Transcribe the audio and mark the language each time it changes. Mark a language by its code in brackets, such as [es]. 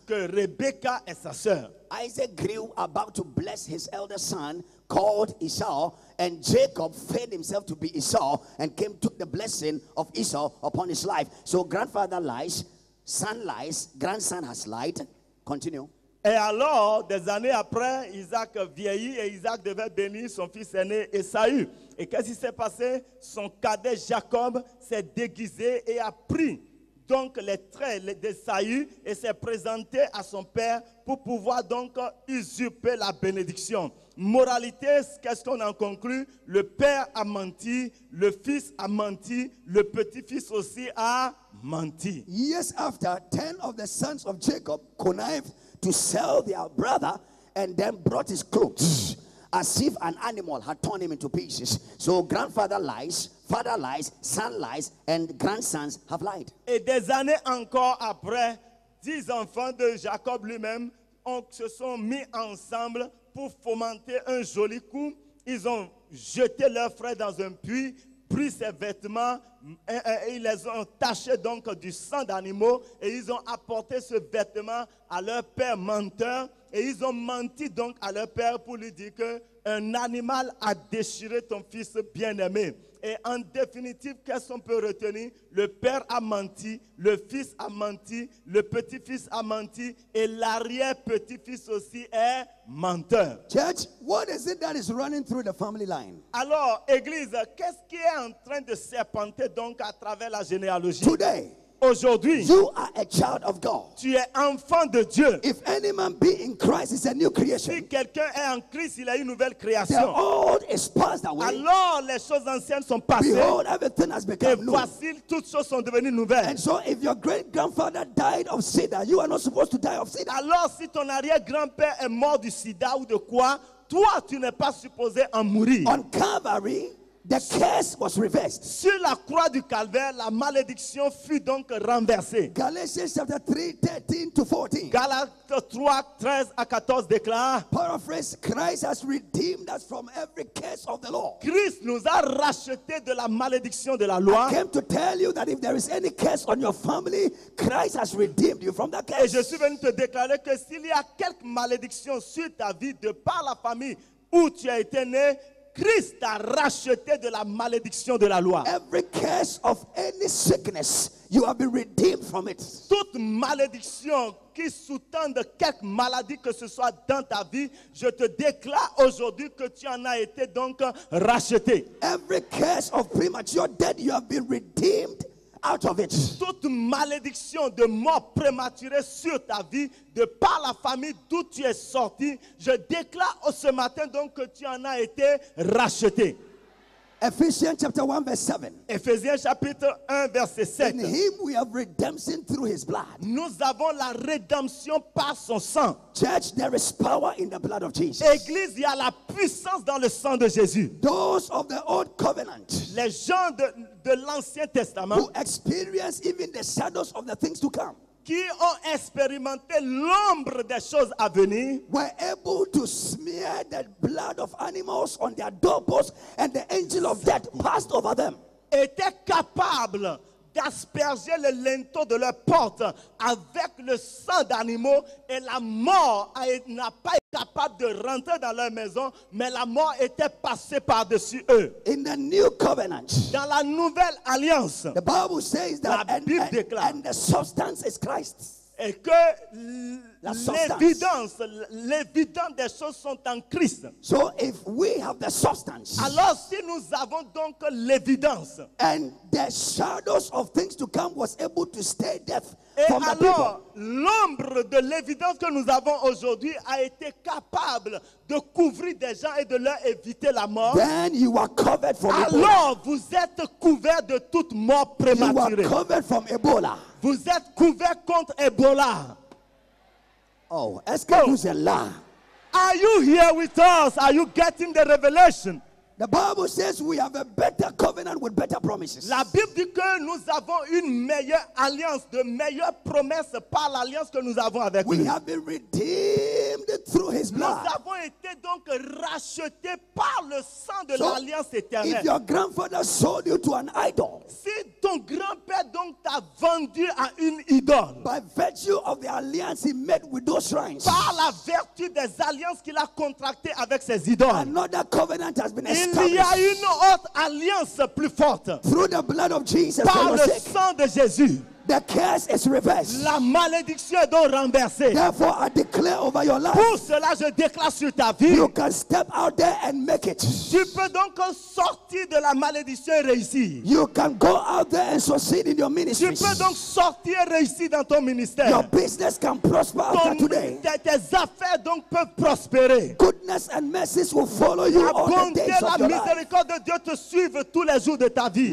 [fr] Que Rebecca est sa sœur. [en] Isaac grew about to bless his elder son called Esau, and Jacob feigned himself to be Esau and came took the blessing of Esau upon his life. So grandfather lies, son lies, grandson has lied. Continue. [fr] Et alors, des années après, Isaac vieillit et Isaac devait bénir son fils aîné Esaü. Et qu'est-ce qui s'est passé? Son cadet Jacob s'est déguisé et a pris donc les traits d'Esaü et s'est présenté à son père pour pouvoir donc usurper la bénédiction. Moralité, qu'est-ce qu'on en conclut? Le père a menti, le fils a menti, le petit-fils aussi a menti. [en] Years after, 10 of the sons of Jacob connived to sell their brother and then brought his clothes as if an animal had torn him into pieces. So grandfather lies, father lies, son lies, and grandsons have lied. [fr] Et des années encore après, 10 enfants de Jacob lui-même se sont mis ensemble pour fomenter un joli coup. Ils ont jeté leur frère dans un puits, pris ses vêtements, et ils les ont tachés donc du sang d'animaux, et ils ont apporté ce vêtement à leur père menteur, et ils ont menti donc à leur père pour lui dire qu'un animal a déchiré ton fils bien-aimé. Et en définitive, qu'est-ce qu'on peut retenir? Le père a menti, le fils a menti, le petit-fils a menti, et l'arrière-petit-fils aussi est menteur. [en] Church, what is it that is running through the family line? [fr] Alors, église, qu'est-ce qui est en train de serpenter donc à travers la généalogie? [en] Today, [fr] aujourd'hui, [en] you are a child of God. [fr] Tu es enfant de Dieu. [en] If any man be in Christ, he's a new creation. [fr] Si quelqu'un est en Christ, il est une nouvelle création. [en] The old is passed away. [fr] Alors les choses anciennes sont passées. [en] Behold, everything has become new. [fr] Et voici, toutes choses sont devenues nouvelles. [en] And so if your great grandfather died of sida, you are not supposed to die of sida. [fr] Alors si ton arrière-grand-père est mort du sida ou de quoi, toi tu n'es pas supposé en mourir. [en] On Calvary, the curse was reversed. [fr] Sur la croix du calvaire, la malédiction fut donc renversée. [en] Galatians chapter 3, 13 to 14. [fr] Galates 3, 13 à 14 déclare. [en] Paraphrase, Christ has redeemed us from every curse of the law. [fr] Christ nous a rachetés de la malédiction de la loi. [en] I came to tell you that if there is any curse on your family, Christ has redeemed you from that curse. [fr] Et je suis venu te déclarer que s'il y a quelque malédiction sur ta vie de par la famille où tu as été né, Christ t'a racheté de la malédiction de la loi. [en] Every curse of any sickness, you have been redeemed from it. [fr] Toute malédiction qui sous-tend quelque maladie que ce soit dans ta vie, je te déclare aujourd'hui que tu en as été donc racheté. [en] Every curse of premature death, you have been redeemed out of it. [fr] Toute malédiction de mort prématurée sur ta vie, de par la famille d'où tu es sorti, je déclare ce matin donc que tu en as été racheté. [en] Ephesians chapter 1 verse 7. Ephesians chapter 1 verse 7. In him we have redemption through his blood. [fr] Nous avons la rédemption par son sang. [en] Church, there is power in the blood of Jesus. [fr] Église, il y a la puissance dans le sang de Jésus. [en] Those of the old covenant. [fr] Les gens de l'Ancien Testament. [en] Who experience even the shadows of the things to come. [fr] Qui ont expérimenté l'ombre des choses à venir, [en] were able to smear the blood of animals on their doorposts, and the angel of death passed over them. [fr] Était capable d'asperger le linteau de leur porte avec le sang d'animaux et la mort n'a pas été capable de rentrer dans leur maison, mais la mort était passée par-dessus eux. [en] In the new covenant, [fr] dans la nouvelle alliance, [en] the Bible says that, [fr] la Bible déclare, [en] and the substance is Christ. [fr] Et que l'évidence des choses sont en Christ. [en] So if we have the substance, [fr] alors si nous avons donc l'évidence, [en] and the shadows of things to come was able to stay deaf from [fr] alors, [en] the people. [fr] Et alors l'ombre de l'évidence que nous avons aujourd'hui a été capable de couvrir des gens et de leur éviter la mort. [en] Then you are covered from [fr] alors, [en] Ebola. [fr] Alors vous êtes couvert de toute mort prématurée. [en] You are covered from Ebola. [fr] Vous êtes couvert contre Ebola. Oh, est-ce que vous êtes là? [en] Are you here with us? Are you getting the revelation? The Bible says we have a better covenant with better promises. [fr] La Bible dit que nous avons une meilleure alliance, de meilleures promesses par l'alliance que nous avons avec lui. [en] We have been redeemed through his blood. [fr] Nous avons été donc rachetés par le sang de l'alliance éternelle. [en] If your grandfather sold you to an idol, [fr] si ton grand-père donc t'a vendu à une idole, [en] by virtue of the alliance he made with those shrines, [fr] par la vertu des alliances qu'il a contractées avec ces idoles, [en] another covenant has been. [fr] Il y a une autre alliance plus forte. [en] Through the blood of Jesus, [fr] par le sang de Jésus, [en] the curse is reversed. [fr] La malédiction est donc renversée. [en] Therefore, I declare over your life. [fr] Pour cela, je déclare sur ta vie. [en] You can step out there and make it. [fr] Tu peux donc sortir de la malédiction et réussir. [en] You can go out there and succeed in your ministry. [fr] Tu peux donc sortir et réussir dans ton ministère. [en] Your business can prosper after today. [fr] Tes affaires donc peuvent prospérer. [en] Goodness and mercy will follow you all the days of your life. [fr] La miséricorde de Dieu te suivre tous les jours de ta vie.